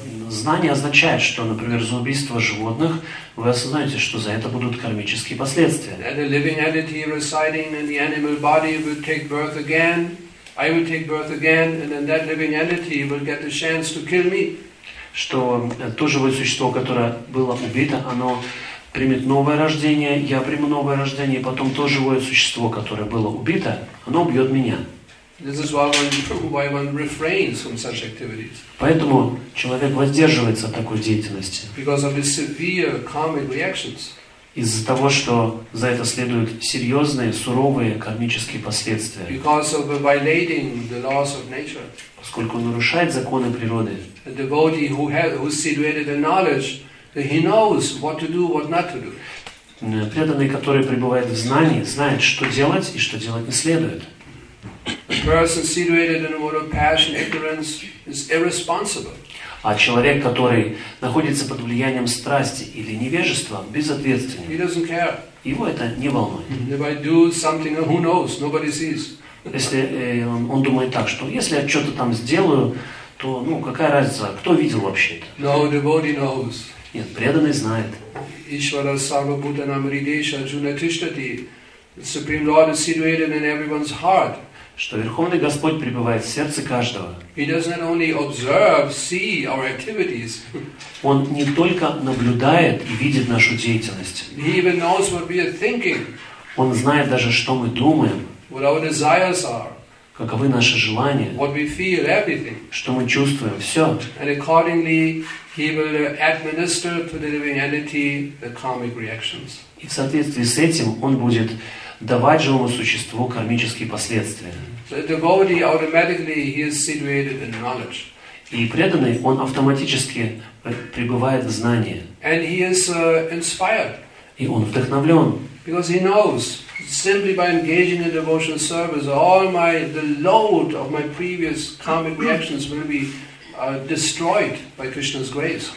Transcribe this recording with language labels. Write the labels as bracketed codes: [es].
[ru] Знание означает, что, например, за убийство животных вы осознаете, что за это будут кармические последствия. [en] That a living entity residing in the animal body would take birth again. I would take birth again, and then that living entity will get the chance to kill me. [ru] Что то живое существо, которое было убито, оно примет новое рождение, я приму новое рождение, и потом то живое существо, которое было убито, оно убьет меня. [en] This is why one refrains from such activities. [ru] Поэтому человек воздерживается от такой деятельности. [en] Because of the severe karmic reactions. [ru] Из-за того, что за это следуют серьезные, суровые кармические последствия. [en] Because of violating the laws of nature. [ru] Поскольку он нарушает законы природы. [en] A devotee who situated in knowledge, he knows what to do, what not to do. [ru] Преданный, который пребывает в знании, знает, что делать и что делать не следует. [en] A person situated in a mode of passion, ignorance, is irresponsible. [ru] А человек, который находится под влиянием страсти или невежества, безответственен. [en] He doesn't care. [ru] Его это не волнует. [en] If I do something, who knows? Nobody sees. [ru] Если он думает так, что если я что-то там сделаю, то ну какая разница, кто видел вообще это? [en] No, devotee knows. [ru] Нет, преданный знает. [sa] Ishvara Sarva Bhutanam Hridesha Arjuna Tishtati. [en] Supreme Lord is situated in everyone's heart. [ru] Что Верховный Господь пребывает в сердце каждого. [en] He does not only observe, see our activities. [ru] Он не только наблюдает и видит нашу деятельность. [en] He even knows what we are thinking. [ru] Он знает даже, что мы думаем. [en] What our desires are. [ru] Каковы наши желания. [en] What we feel, everything. [ru] Что мы чувствуем. Все. [en] And accordingly, he will administer to the living entity the karmic reactions. [ru] И в соответствии с этим он будет давать живому существу кармические последствия. [en] So the devotee automatically he is situated in knowledge. [ru] И преданный, он автоматически пребывает в знании. [en] And he is inspired. [ru] И он вдохновлен. [en] Because he knows. Simply by engaging in devotional service, the load of my previous karmic reactions will be destroyed by Krishna's grace.